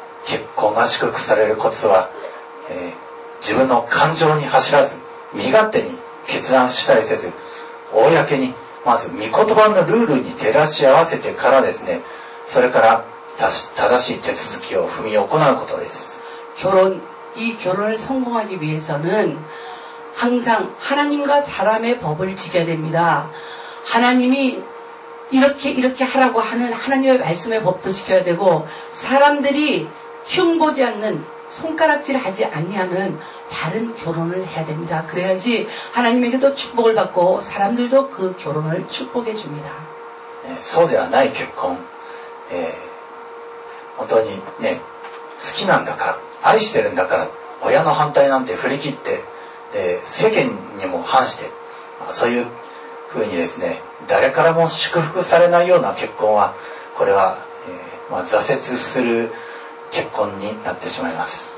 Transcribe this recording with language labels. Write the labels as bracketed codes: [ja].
[ja] 結婚が祝福されるコツは、自分の感情に走らず、身勝手に決断したりせず、公に、まず御言葉のルールに照らし合わせてからですね、それから正しい手続きを踏み行うことです。 [ko] 결혼 이 결혼을 성공하기 위해서는 항상 하나님과 사람의 법을 지켜야 됩니다. 하나님이 이렇게 이렇게 하라고 하는 하나님의 말씀의 법도 지켜야 되고 사람들이 흉보지 않는 손가락질하지 아니하는 바른 결혼을 해야 됩니다. 그래야지 하나님에게도 축복을 받고 사람들도 그 결혼을 축복해 줍니다. [ja] 네, そうではない結婚、本当にね好きなんだから愛してるんだから親の反対なんて振り切って、世間にも反して、そういう風にですね 誰からも祝福されないような結婚は、これは、挫折する結婚になってしまいます。